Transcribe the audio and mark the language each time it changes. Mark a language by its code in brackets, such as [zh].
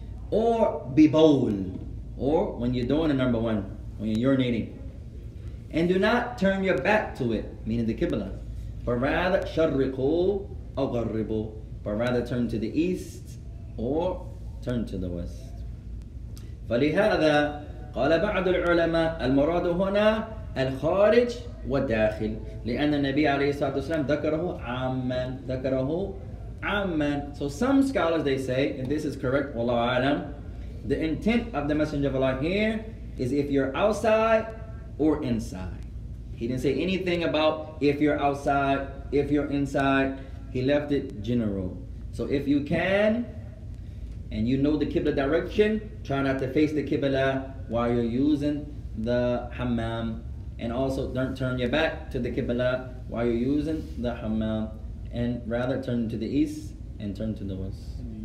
[en] Or be bold, or when you're doing a number one, when you're urinating. And do not turn your back to it, meaning the Qibla. But rather, [ar] sharriqo [en] or [ar] gharribo. [en] But rather turn to the east or turn to the west. [ar] فَلِهَذَا قال بعض العلماء المراد هنا الخارج والداخل لأن النبي عليه الصلاة والسلام ذكره عاما ذكره عاما. [en] So some scholars, they say, and this is correct, [ar] والله أعلم, [en] the intent of the Messenger of Allah here is if you're outside or inside. He didn't say anything about if you're outside, if you're inside. He left it general. So if you can and you know the Qibla direction, try not to face the Qibla while you're using the hammam, and also don't turn your back to the Qibla while you're using the hammam, and rather turn to the east and turn to the west.